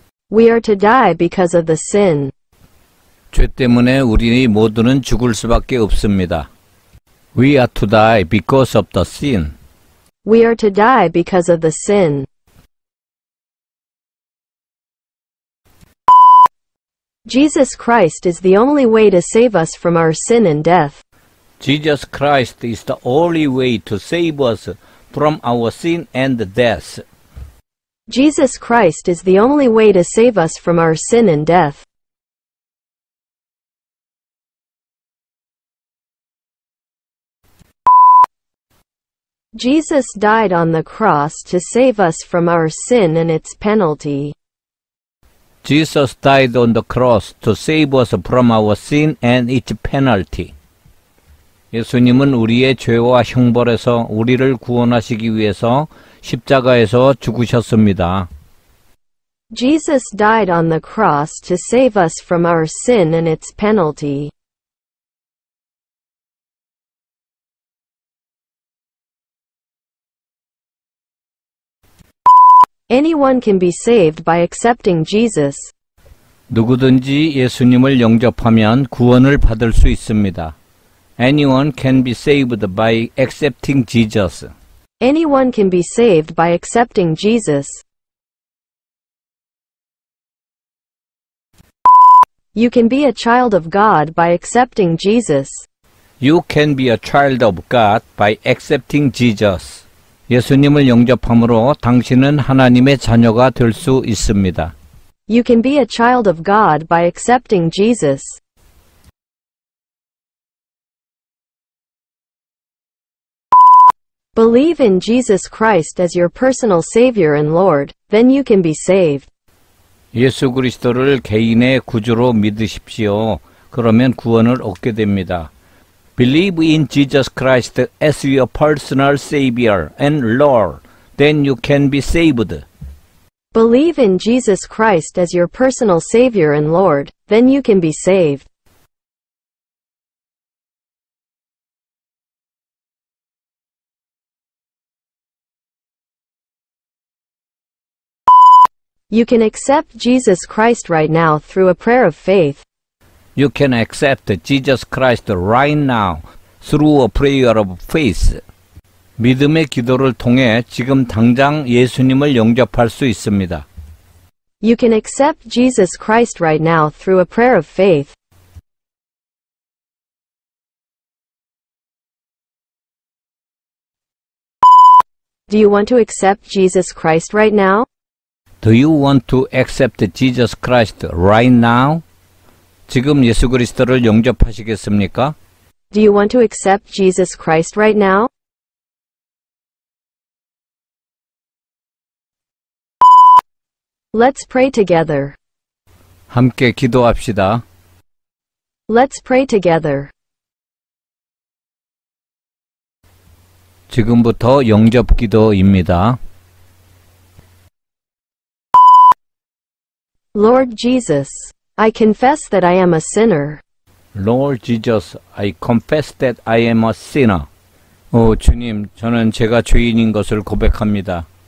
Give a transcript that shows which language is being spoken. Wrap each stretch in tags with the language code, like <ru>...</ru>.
<en>We are to die because of the sin.</en> <ko>죄 때문에 우리 모두는 죽을 수밖에 없습니다.</ko> <en>We are to die because of the sin. We are to die because of the sin. Jesus Christ is the only way to save us from our sin and death. Jesus Christ is the only way to save us from our sin and death. Jesus Christ is the only way to save us from our sin and death. Jesus died on the cross to save us from our sin and its penalty. Jesus died on the cross to save us from our sin and its penalty.</en> <ko>예수님은 우리의 죄와 형벌에서 우리를 구원하시기 위해서 십자가에서 죽으셨습니다.</ko> <en>Jesus died on the cross to save us from our sin and its penalty. Anyone can be saved by accepting Jesus.</en> <ko>누구든지 예수님을 영접하면 구원을 받을 수 있습니다.</ko> <en>Anyone can be saved by accepting Jesus. Anyone can be saved by accepting Jesus. You can be a child of God by accepting Jesus. You can be a child of God by accepting Jesus.</en> <ko>예수님을 영접함으로 당신은 하나님의 자녀가 될 수 있습니다.</ko> <en>You can be a child of God by accepting Jesus. Believe in Jesus Christ as your personal Savior and Lord, then you can be saved.</en> <ko>예수 그리스도를 개인의 구주로 믿으십시오. 그러면 구원을 얻게 됩니다.</ko> <en>Believe in Jesus Christ as your personal Savior and Lord, then you can be saved. Believe in Jesus Christ as your personal Savior and Lord, then you can be saved. You can accept Jesus Christ right now through a prayer of faith. You can accept Jesus Christ right now through a prayer of faith.</en> <ko>믿음의 기도를 통해 지금 당장 예수님을 영접할 수 있습니다.</ko> <en>You can accept Jesus Christ right now through a prayer of faith. Do you want to accept Jesus Christ right now? Do you want to accept Jesus Christ right now?</en> <ko>지금 예수 그리스도를 영접하시겠습니까?</ko> <en>Do you want to accept Jesus Christ right now? Let's pray together.</en> <ko>함께 기도합시다.</ko> <en>Let's pray together.</en> <ko>지금부터 영접 기도입니다.</ko> <en>Lord Jesus, I confess that I am a sinner. Lord Jesus, I confess that I am a sinner.</en> <ko>오 주님, 저는 제가 죄인인 것을 고백합니다.</ko>